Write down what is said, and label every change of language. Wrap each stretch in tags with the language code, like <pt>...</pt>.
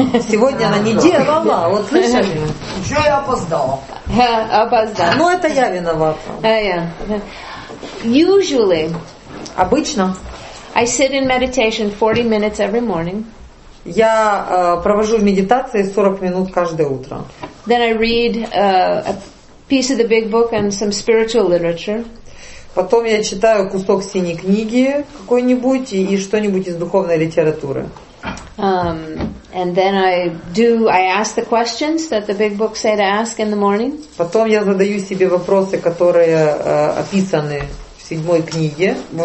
<ru>Сегодня она не делала. Вот слышали? Еще я опоздала. Опоздала. Ну, это я виновата.</ru> <en>Yeah. Usually...</en> <ru>Обычно...</ru> <en>I sit in meditation 40 minutes every morning.</en> <ru>Я провожу в медитации 40 минут каждое утро.</ru> <en>Then I read a piece of the big book and some spiritual literature.</en> <ru>Потом я читаю кусок синей книги какой-нибудь и что-нибудь из духовной литературы.</ru> <en>And then I ask the questions that the big book say to ask in the morning.</en> <ru>Потом я задаю себе вопросы, которые описаны в седьмой книге.</ru>